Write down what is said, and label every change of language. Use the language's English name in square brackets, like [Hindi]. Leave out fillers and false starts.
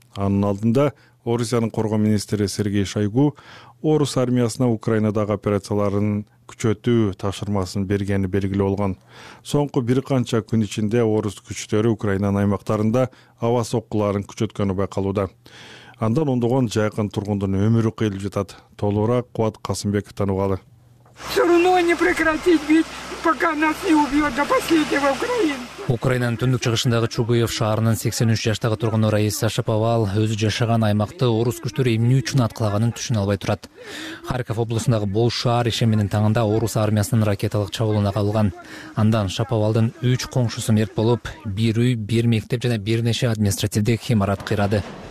[Kyrgyz] Анын алдында Орусиянын коргоо министри Сергей Шойгу орус армиясына Украинадагы операцияларын күчөтүү тапшырмасын бергени белгилүү болгон. Соңку бир канча күн ичинде орус күчтөрү Украинанын аймактарында аба соккуларын күчөткөнү байкалууда. Андан ондогон жакын тургундун өмүрү кыйылып жатат. Толуураак Кубат Касымбековдон угалы. [Russian] Все равно не прекратить бить, пока нас не убьет до последнего украинца. [Kyrgyz] Украинанын түндүк чыгышындагы Чубуев шаарынын 83 жаштагы тургуну Раиса Шаповал өзү жашаган аймакты орус күчтөрү эмне үчүн аткылаганын түшүнө албай турат. Харьков облусундагы бул шаар ишембинин таңында орус армиясынын ракеталык чабуулуна кабылган. Андан Шаповалдын 3 коңшусу мерт болуп, бир үй, бир мектеп жана бир нече административдик имарат кыйрады.